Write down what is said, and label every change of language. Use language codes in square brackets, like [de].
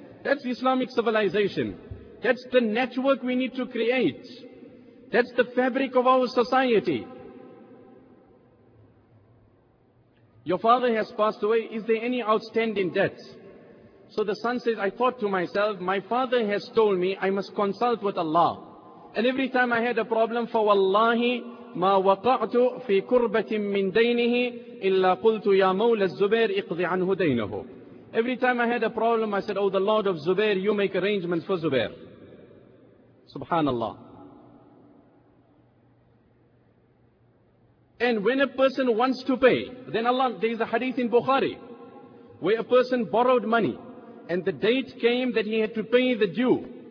[en] That's Islamic civilization. That's the network we need to create. That's the fabric of our society. Your father has passed away. Is there any outstanding debts? So the son says, I thought to myself, my father has told me I must consult with Allah. And every time I had a problem, [ar] فَوَاللَّهِ مَا وَقَعْتُ فِي كُرْبَةٍ مِّن دَيْنِهِ إِلَّا قُلْتُ يَا مَوْلَى الزُّبَيْرِ اِقْضِ عَنْهُ دَيْنَهُ. [en] Every time I had a problem, I said, oh, the Lord of Zubair, you make arrangements for Zubair. Subhanallah. And when a person wants to pay, then Allah, there is a hadith in Bukhari, where a person borrowed money, and the date came that he had to pay the due.